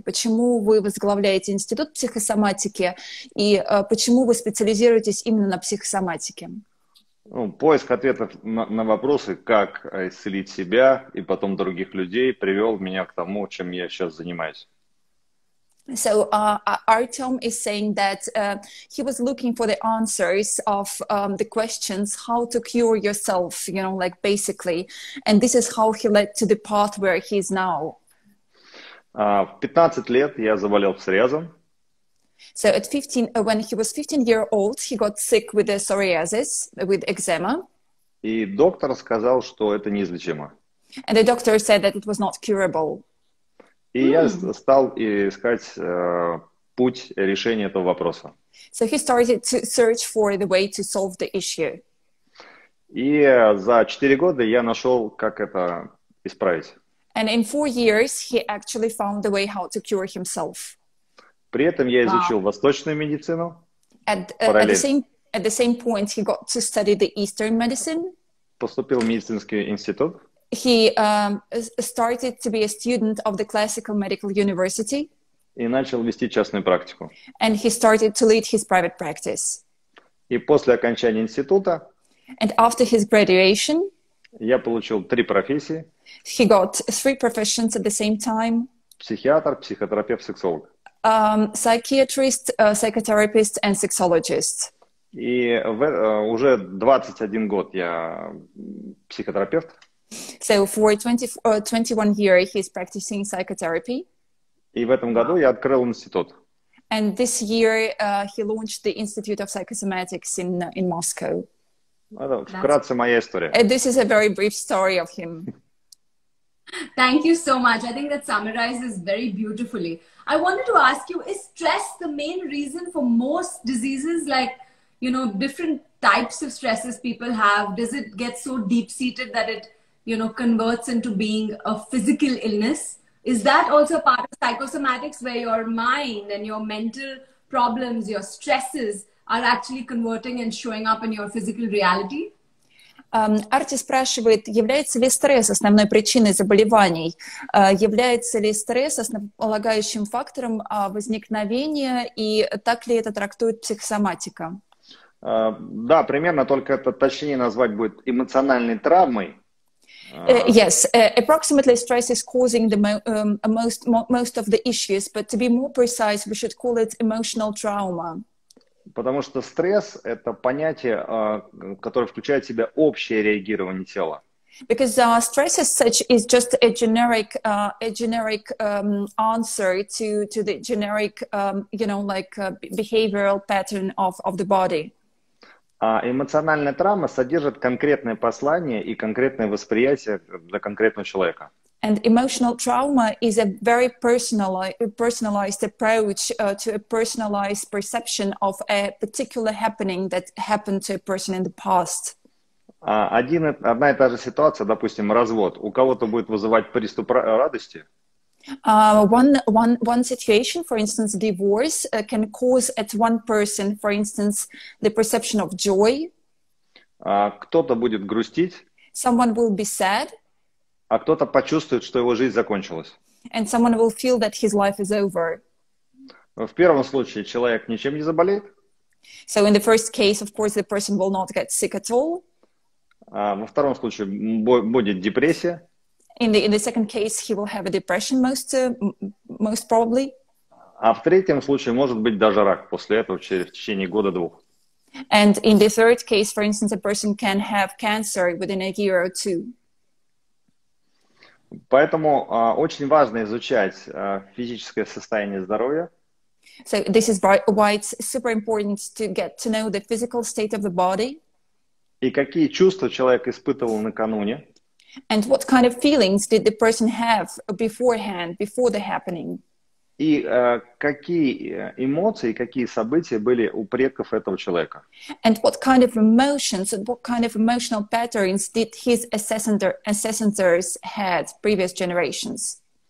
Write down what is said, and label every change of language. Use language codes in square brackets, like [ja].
[ru] Почему вы возглавляете институт психосоматики и почему вы специализируетесь именно на психосоматике? Ну, поиск ответов на вопросы, как исцелить себя и потом других людей, привел меня к тому, чем я сейчас занимаюсь. [en] So Artem is saying that he was looking for the answers of the questions, how to cure yourself, like basically, and this is how he led to the path where he is now. [ru] В 15 лет я заболел псориазом. [en] So at 15, when he was 15 year old, he got sick with a psoriasis, with eczema. [ru] И доктор сказал, что это неизлечимо. [en] And the doctor said that it was not curable. [ru] И я стал искать путь решения этого вопроса. [en] So he started to search for the way to solve the issue. [ru] И за 4 года я нашел, как это исправить. [en] And in 4 years, he actually found the way how to cure himself. [ru] При этом я [en] Wow. [ru] изучил восточную медицину параллельно. [en] At the same point, he got to study the Eastern medicine. [ru] Поступил в медицинский институт. [en] He started to be a student of the classical medical university. [ru] И начал вести частную практику. [en] And he started to lead his private practice. [ru] И после окончания института [en] And after his graduation, [ru] я получил 3 профессии. [en] he got 3 professions at the same time. [ru] Психиатр, психотерапевт, сексолог. [en] Psychiatrist, psychotherapist, and sexologist. [ru] И уже 21 год я психотерапевт. [en] So for 21 year, he's practicing psychotherapy. [ru] И в этом году я открыл институт. [en] And this year, he launched the Institute of Psychosomatics in Moscow. [ru] Это [en] That's [ru] вкратце моя история. [en] and this is a very brief story of him. Thank you so much. I think that summarizes very beautifully. I wanted to ask you, is stress the main reason for most diseases, like, different types of stresses people have? Does it get so deep-seated that it, converts into being a physical illness? Is that also part of psychosomatics, where your mind and your mental problems, your stresses are actually converting and showing up in your physical reality? [ru] Арти спрашивает, является ли стресс основной причиной заболеваний? Является ли стресс основополагающим фактором возникновения и так ли это трактует психосоматика? Да, примерно, только это точнее назвать будет эмоциональной травмой. [en] Yes, approximately stress is causing most of the issues, but to be more precise, we should call it emotional trauma. [ru] Потому что стресс – это понятие, которое включает в себя общее реагирование тела. [en] Because stress as such is just a generic answer to the generic behavioral pattern of the body. [ru] А эмоциональная травма содержит конкретное послание и конкретное восприятие для конкретного человека. [en] And emotional trauma is a very personalized approach to a personalized perception of a particular happening that happened to a person in the past. [ru] Одна и та же ситуация, допустим, развод, у кого-то будет вызывать приступ радости. [en] One situation, for instance, divorce, can cause at one person, for instance, the perception of joy. [ru] Кто-то будет грустить, [en] Someone will be sad. [ru] а кто-то почувствует, что его жизнь закончилась. [en] And someone will feel that his life is over. [ru] В первом случае человек ничем не заболеет. [en] So in the first case, of course, the person will not get sick at all. [ru] Во втором случае будет депрессия. [en] In the second case, he will have a depression most probably. [ru] А в третьем случае может быть даже рак после этого в течение года-двух. [en] And in the third case, for instance, a person can have cancer within a year or two. [ru] Поэтому очень важно изучать физическое состояние здоровья. [en] So this is why it's super important to get to know the physical state of the body. [ru] И какие чувства человек испытывал накануне. [en] And what kind of feelings did the person have beforehand, before the happening? [ru] И какие эмоции, какие события были у предков этого человека? [en] And what kind of emotions and what kind of emotional patterns did his ancestors had previous generations?